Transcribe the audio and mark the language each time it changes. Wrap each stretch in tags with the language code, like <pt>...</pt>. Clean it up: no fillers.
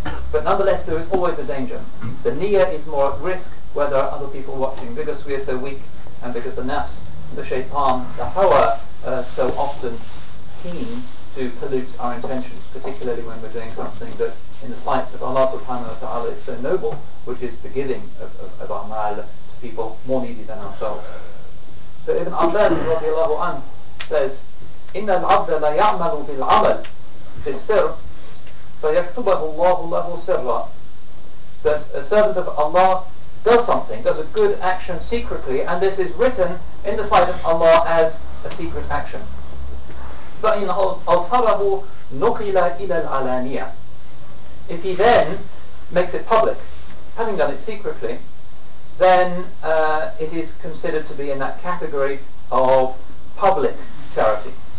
<en>But nonetheless, there is always a danger. The niyyah is more at risk where there are other people watching, because we are so weak, and because the nafs, the shaitan, the hawa, are so often keen to pollute our intentions, particularly when we're doing something that, in the sight of Allah subhanahu wa ta'ala, is so noble, which is the giving of amal to people more needy than ourselves. So Ibn Abbas radiallahu anhu says,</en> <ar>إِنَّ الْعَبْدَ لَيَعْمَلُ بِالْعَمَلِ فِي السِّرِّ فَيَكْتُبَهُ اللَّهُ لَهُ سِرًّا.</ar> <en>That a servant of Allah does something, does a good action secretly, and this is written in the sight of Allah as a secret action.</en> <ar>فَإِنْ أَظْهَرَهُ نُقِلَ إِلَى الْعَلَانِيَةِ.</ar> <en>If he then makes it public, having done it secretly, then it is considered to be in that category of public charity.</en>